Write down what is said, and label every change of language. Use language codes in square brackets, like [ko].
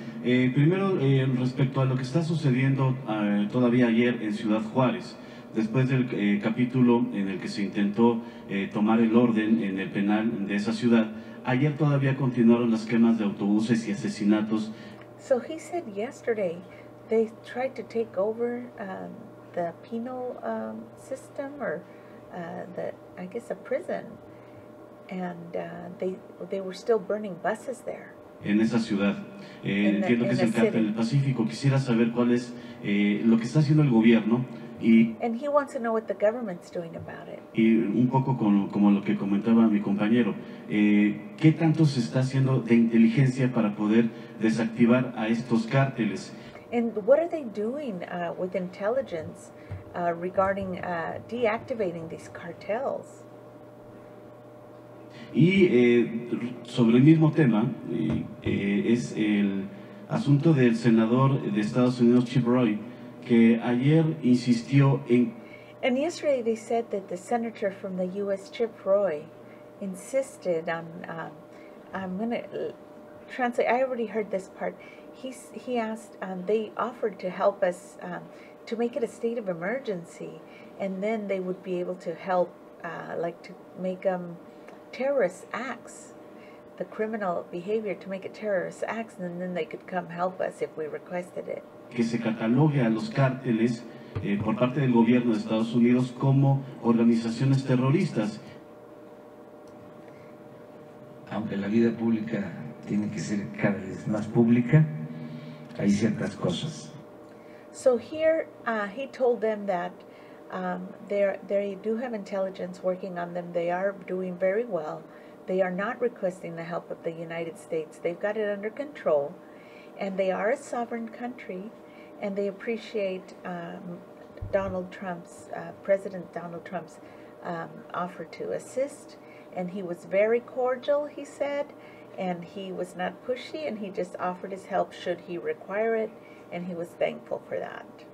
[es] Primero, respecto a lo que está sucediendo todavía ayer en Ciudad Juárez, después del capítulo en el que se intentó tomar el orden en el penal de esa ciudad, ayer todavía continuaron las quemas de autobuses y asesinatos. [en] So he said yesterday they tried to take over the penal system or the, I guess, a prison. And they were still burning buses there. [es] En esa ciudad. Entiendo que es el Cártel del Pacífico. Quisiera saber cuál es lo que está haciendo el gobierno. [en] And he wants to know what the government's doing about it. [es] Y un poco como lo que comentaba mi compañero, ¿qué tanto se está haciendo de inteligencia para poder desactivar a estos cárteles? [en] And what are they doing with intelligence regarding deactivating these cartels? [es] Y sobre el mismo tema, es el asunto del senador de Estados Unidos, Chip Roy, que ayer insistió en... [en] And yesterday they said that the senator from the U.S., Chip Roy, insisted on... I'm going to translate. I already heard this part. He asked, they offered to help us to make it a state of emergency, and then they would be able to help, to make them... terrorist acts, the criminal behavior to make it terrorist acts, and then they could come help us if we requested it. [es] Que se catalogue a los cárteles por parte del gobierno de Estados Unidos como organizaciones terroristas. Aunque la vida pública tiene que ser cada vez más pública, hay ciertas cosas. [en] So here he told them that they do have intelligence working on them. They are doing very well. They are not requesting the help of the United States. They've got it under control, and they are a sovereign country, and they appreciate President Donald Trump's offer to assist, and he was very cordial, he said, and he was not pushy, and he just offered his help should he require it, and he was thankful for that.